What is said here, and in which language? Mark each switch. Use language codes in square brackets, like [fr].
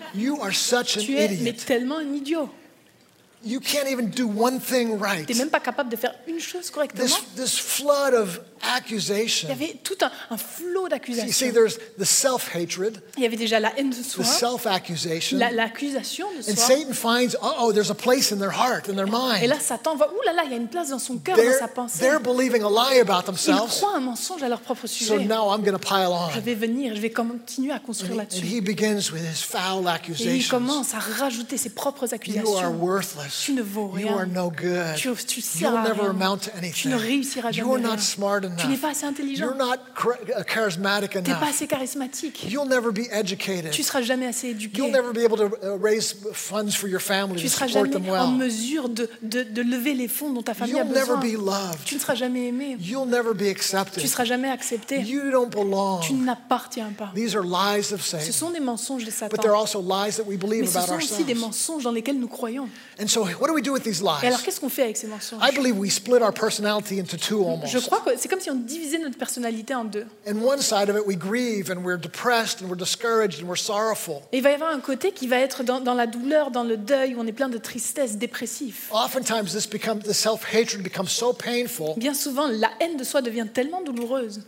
[en] You are such an [fr] tu es, [en] idiot. [fr] Mais tellement un idiot. [en] You can't even do one thing right. [fr] T'es même pas capable de faire une chose correctement. [en] This flood of accusations. [fr] Il y avait tout un flot d'accusations. [en] See, there's the self-hatred. [fr] Il y avait déjà la haine de soi. [en] The self-accusation. [fr] L'accusation de soi. [en] And Satan finds, there's a place in their heart, in their mind. [fr] Et là, Satan voit, ouh là là, il y a une place dans son cœur, dans sa pensée. [en] They're believing a lie about themselves. [fr] Ils croient un mensonge à leur propre sujet. [en] So now I'm going to pile on. [fr] Je vais venir, je vais continuer à construire là-dessus. [en] And he begins with his foul accusations. [fr] Et il commence à rajouter ses propres accusations. [en] You are worthless. [fr] Tu ne vaux rien. [en] You are no good. [fr] Tu ne seras rien. [en] Never amount to anything. [fr] Tu ne réussiras jamais. [en] You are not smart enough. [fr] Tu n'es pas assez intelligent. [en] You're not charismatic enough. [fr] Tu n'es pas assez charismatique. [en] You'll never be educated. [fr] Tu ne seras jamais assez éduqué. [en] You'll never be able to raise funds for your family [fr] tu [en] to support them well. [fr] Tu ne seras jamais en mesure de lever les fonds dont ta famille [en] You'll [fr] a besoin. [en] Never be loved. [fr] Tu ne seras jamais aimé. [en] You'll never be accepted. [fr] Tu ne seras jamais accepté. [en] You don't belong. [fr] Tu n'appartiens pas. [en] These are lies of Satan. [fr] Ce sont des mensonges de Satan. [en] But they're also lies that we believe [fr] Mais [en] about ourselves. [fr] Mais ce sont aussi des mensonges dans lesquels nous croyons. [en] And so, what do we do with these lies? [fr] Et alors, qu'est-ce qu'on fait avec ces mensonges? [en] I believe we split our personality into two almost. [fr] Je crois que c'est comme si on divisait notre personnalité en deux. [en] And one side of it, we grieve and we're depressed and we're discouraged and we're sorrowful. [fr] Et il va y avoir un côté qui va être dans la douleur, dans le deuil, où on est plein de tristesse, dépressif. [en] Oftentimes, the self-hatred becomes so painful. [fr] Bien souvent, la haine de soi devient tellement douloureuse.